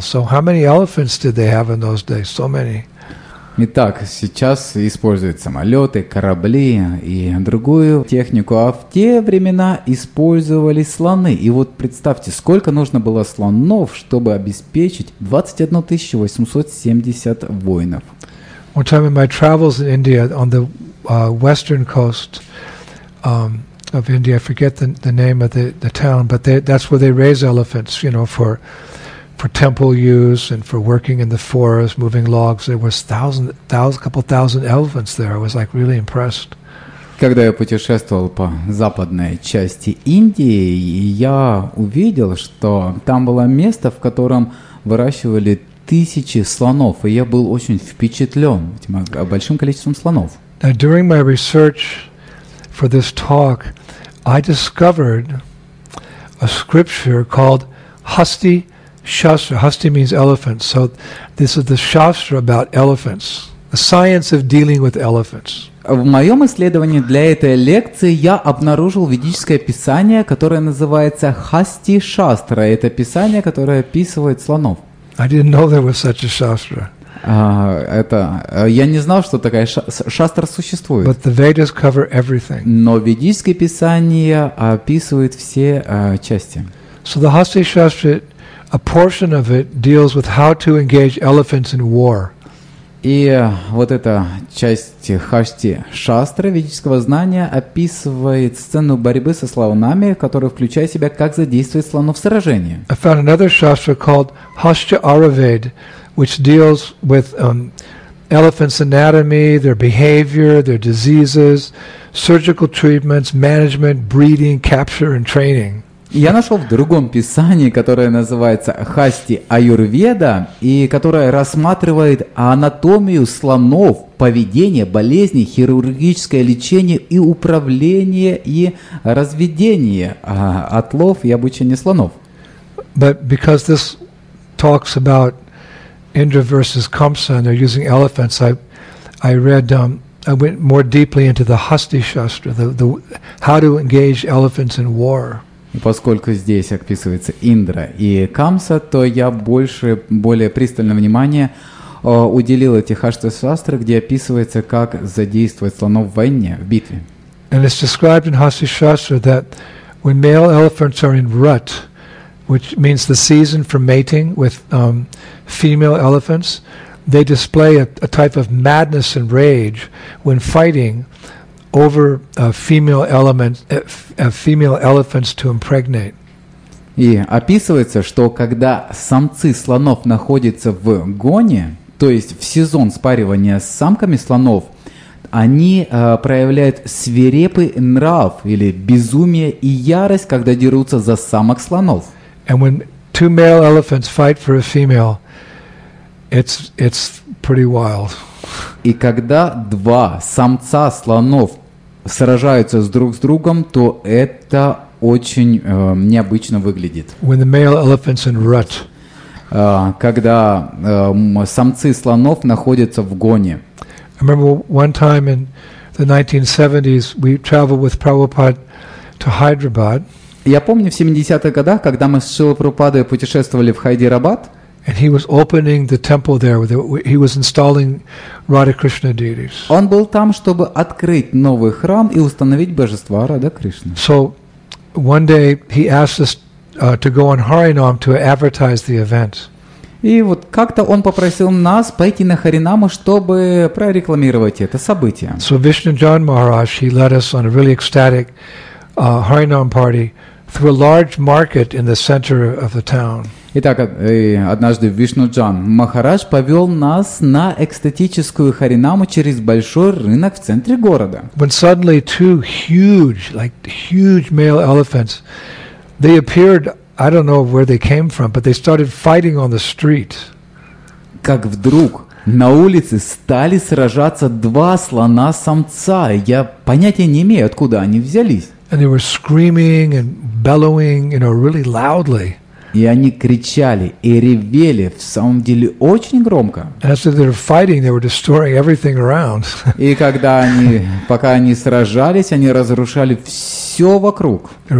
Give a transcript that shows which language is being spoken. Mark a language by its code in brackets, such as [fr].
[en] So how many elephants did they have in those days? So many. [ru] Итак, сейчас используют самолеты, корабли и другую технику, а в те времена использовали слоны. И вот представьте, сколько нужно было слонов, чтобы обеспечить 21,870 воинов. [en] One time in my travels in India, on the western coast of India, I forget the name of the town, but that's where they raise elephants, you know, for temple use and for working in the forest, moving logs. There was couple thousand elephants there. I was like really impressed. [ru] Когда я путешествовал по западной части Индии, я увидел, что там было место, в котором выращивали тысячи слонов, и я был очень впечатлен этим большим количеством слонов. [en] Now, during my research for this talk, I discovered a scripture called Hasti Shastra. Hasti means elephant. So this is the Shastra about elephants, the science of dealing with elephants. [ru] В моем исследовании для этой лекции я обнаружил ведическое писание, которое называется Hasti Shastra. Это писание, которое описывает слонов. [en] I didn't know there was such a Shastra. [ru] Я не знал, что такая шастра существует. [en] But the Vedas cover everything. [ru] Но ведическое писание описывает все части. [en] So the Hasti Shastra, a portion of it deals with how to engage elephants in war. [ru] И вот эта часть Хасти Шастры ведического знания описывает сцену борьбы со слонами, которая включает в себя, как задействовать слонов в сражении. [en] I found another Shastra called Hasti Araved, which deals with elephants' anatomy, their behavior, their diseases, surgical treatments, management, breeding, capture and training. [ru] Я нашел в другом писании, которое называется «Хасти Аюрведа», и которое рассматривает анатомию слонов, поведение, болезни, хирургическое лечение и управление и разведение отлов и обучение слонов. [en] But because this talks about Indra versus Kamsa and they're using elephants, I went more deeply into the Hasti Shastra, the how to engage elephants in war. [ru] Поскольку здесь описывается Индра и Камса, то я более пристальное внимание уделил эти Хасти Шастры, где описывается, как задействовать слонов в войне, в битве. [en] And it's described in Hasti Shastra that when male elephants are in rut, which means the season for mating with female elephants, they display a type of madness and rage when fighting over female elephants to impregnate. [ru] И описывается, что когда самцы слонов находятся в гоне, то есть в сезон спаривания с самками слонов, они проявляют свирепый нрав или безумие и ярость, когда дерутся за самок слонов. [en] And when two male elephants fight for a female, it's pretty wild. [ru] И когда два самца слонов сражаются друг с другом, то это очень необычно выглядит. [en] When the male elephant's in rut. [ru] когда самцы слонов находятся в гоне. [en] I remember one time in the 1970s we traveled with Prabhupada to Hyderabad. [ru] Я помню, в 70-х годах, когда мы с Шрилой Прабхупадой путешествовали в Хайдерабад, он был там, чтобы открыть новый храм и установить божества Радха Кришны. [en] So one day he asked us to go on Харинам to advertise the event. [ru] И вот как-то он попросил нас пойти на Харинаму, чтобы прорекламировать это событие. [en] So Vishnu John Maharaj, he led us on a really ecstatic Харинам party through a large market in the center of the town. [ru] Итак, однажды Вишнуджан Махарадж повел нас на экстатическую харинаму через большой рынок в центре города. [en] When suddenly two huge, like huge male elephants, they appeared, I don't know where they came from, but they started fighting on the street. [ru] Как вдруг на улице стали сражаться два слона-самца. Я понятия не имею, откуда они взялись. [en] And they were screaming and bellowing, you know, really loudly. [ru] И они кричали и ревели, в самом деле, очень громко. И когда они, пока они сражались, они разрушали все вокруг.